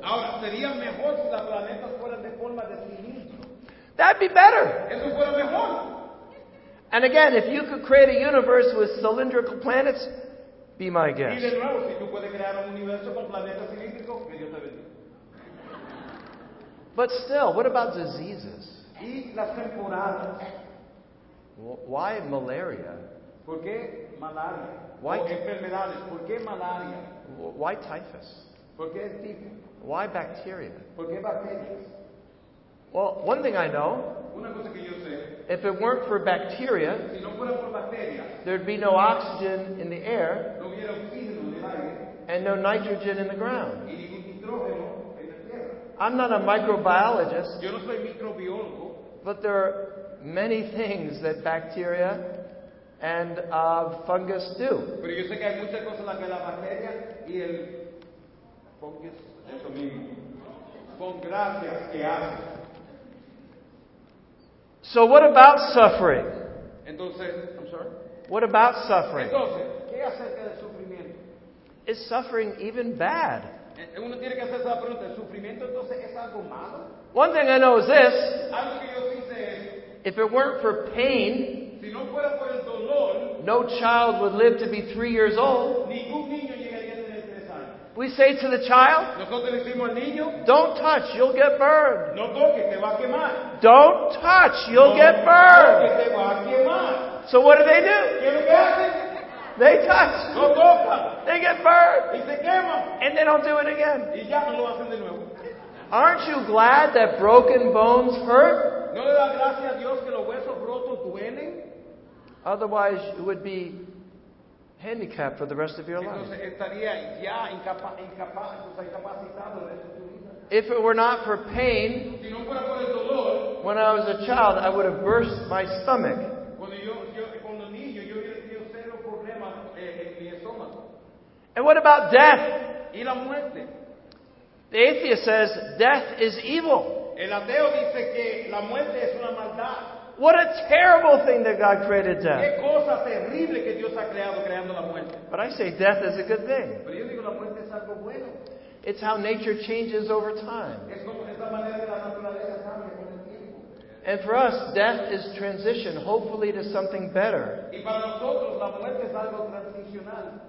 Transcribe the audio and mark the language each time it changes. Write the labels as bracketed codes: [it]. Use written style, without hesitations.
[es] Ahora, sería mejor si las planetas fueran de forma de cilindro. [en] That'd be better. [es] Eso fuera mejor. [en] And again, if you could create a universe with cylindrical planets, be my guest. [es] Y de nuevo, si tú puedes crear un universo con planetas cilíndricos, que Dios te bendiga. [en] But still, what about diseases? [es] Y las temporadas. [en] Why malaria? [es] ¿Por qué malaria? [en] Why [es] enfermedades? ¿Por qué malaria? [en] Why typhus? [es] ¿Por qué tifo? [en] Why bacteria? [es] ¿Por qué bacterias? [en] Well, one thing I know. [es] Una cosa que yo sé. [en] If it weren't for bacteria, [es] si no fuera por bacteria, [en] there'd be no oxygen in the air, [es] no hubiera oxígeno en el aire, [en] and no nitrogen in the ground. [es] Y ningún nitrógeno en la tierra. [en] I'm not a microbiologist. [es] Yo no soy microbiólogo. [en] But there are many things that bacteria and fungus do. [es] Pero yo sé que hay muchas cosas las que la bacteria y el fungus, eso mismo, con gracias que hacen. [en] So what about suffering? [es] Entonces, [en] I'm sorry? What about suffering? [es] Entonces, ¿qué acerca del sufrimiento? [en] Is suffering even bad? [es] Uno tiene que hacerse la pregunta, ¿el sufrimiento entonces es algo malo? [en] One thing I know is this. [es] Algo que yo sí sé es, [en] if it weren't for pain, [es] si no fuera por el dolor, [en] no child would live to be 3 years old. [es] Ningún niño llegaría a tener 3 años. [en] We say to the child, [es] nosotros le decimos al niño, [en] don't touch, you'll get burned. [es] No toques, te va a quemar. [en] Don't touch, you'll [es] no [en] get burned. [es] Toques, te va a quemar. [en] So what do they do? [es] ¿Qué es lo que hacen? [en] They touch. [es] No toca. [en] They get burned. [es] Y se quema. [en] And they don't do it again. [es] Y ya no lo hacen de nuevo. [en] Aren't you glad that broken bones hurt? [es] ¿No le da gracia a Dios que los huesos rotos duelen? [en] Otherwise, you would be handicapped for the rest of your life. [es] Entonces, estaría ya incapacitado el resto de tu vida. [en] If it were not for pain, [es] si no fuera por el dolor, [en] when I was a child, I would have burst my stomach. [es] Cuando niño, yo hubiera tenido cero problema en mi estómago. [en] And what about death? [es] ¿Y la muerte? [en] The atheist says death is evil. [es] El ateo dice que la muerte es una maldad. [en] What a terrible thing that God created death. [es] Qué cosa terrible que Dios ha creado, creando la muerte. [en] But I say death is a good thing. [es] Pero yo digo, la muerte es algo bueno. [en] It's how nature changes over time. [es] Es como esta manera de la naturaleza cambia con el tiempo. [en] And for us, death is transition, hopefully to something better. [es] Y para nosotros, la muerte es algo transicional.